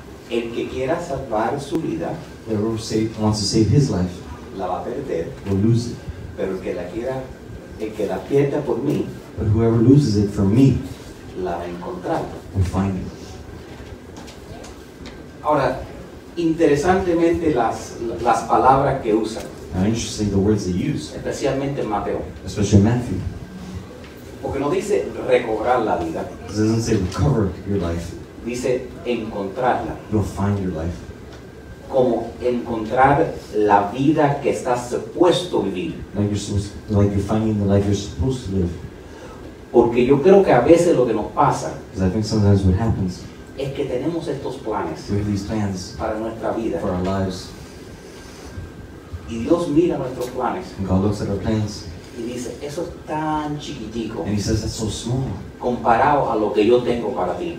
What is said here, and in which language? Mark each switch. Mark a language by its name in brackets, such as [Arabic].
[Spanish] el que quiera salvar su vida, [English] whoever wants to save his life, [Spanish] la va a perder, [English] will lose it. [Spanish] Pero el que la pierda por mí, [English] but whoever loses it for me, [Spanish] la va a encontrar, [English] will find it. [Spanish] Ahora, interesantemente las palabras que usan. [English] Now, interesting the words they use, [Spanish] especialmente Mateo. [English] Especially Matthew. [Spanish] Porque no dice recobrar la vida. [English] It doesn't say recover your life. [Spanish] Dice encontrarla. [English] You'll find your life. [Spanish] Como encontrar la vida que estás supuesto vivir. [English] Like you're finding the life you're supposed to live. [Spanish] Porque yo creo que a veces lo que nos pasa, [English] because I think sometimes what happens, [Spanish] es que tenemos estos planes, [English] we have these plans [Spanish] para nuestra vida, [English] for our lives. [Spanish] Y Dios mira nuestros planes, [English] and God looks at our plans, [Spanish] y dice, eso es tan chiquitico, [English] and he says, that's so small, [Spanish] comparado a lo que yo tengo para ti,